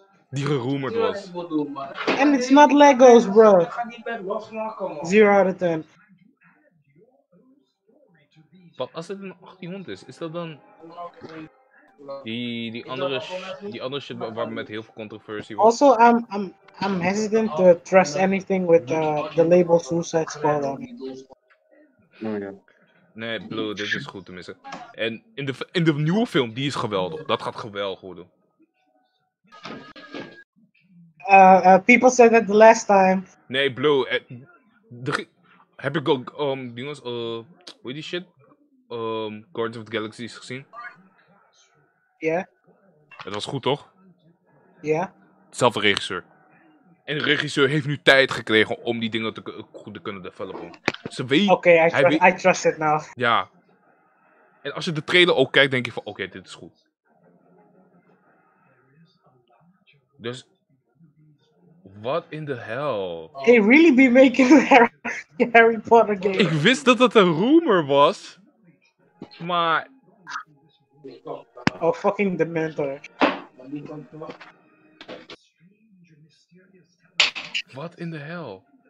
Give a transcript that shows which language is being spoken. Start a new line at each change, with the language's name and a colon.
Dutch: Die geroemd was.
English: And it's not Legos, bro.
Dutch: Ik ga die bed losmaken, man. 0/10. Wat als het een 1800 is, is dat dan... Die andere shit waar met heel veel controversy was.
English: Also, I'm hesitant to trust anything with the label Suicide Squad. Oh, yeah.
Dutch: Nee, Blue, dit is goed te missen. En in de nieuwe film, die is geweldig. Dat gaat geweldig worden.
English: People said that the last time.
Dutch: Nee, Blue. Heb ik ook, jongens, hoe heet die shit? Guardians of the Galaxy is gezien. Ja. Yeah. Het was goed, toch? Ja. Yeah. Hetzelfde regisseur. En de regisseur heeft nu tijd gekregen om die dingen goed te kunnen developen. Ze weet...
English: Oké, I trust it now. Ja.
Dutch: En als je de trailer ook kijkt, denk je van... Oké, dit is goed.
English: Dus... What in the hell? They really be making the Harry Potter game.
Dutch: Ik wist dat dat een rumor was. Maar...
English: Oh, fucking Dementor. What in the hell?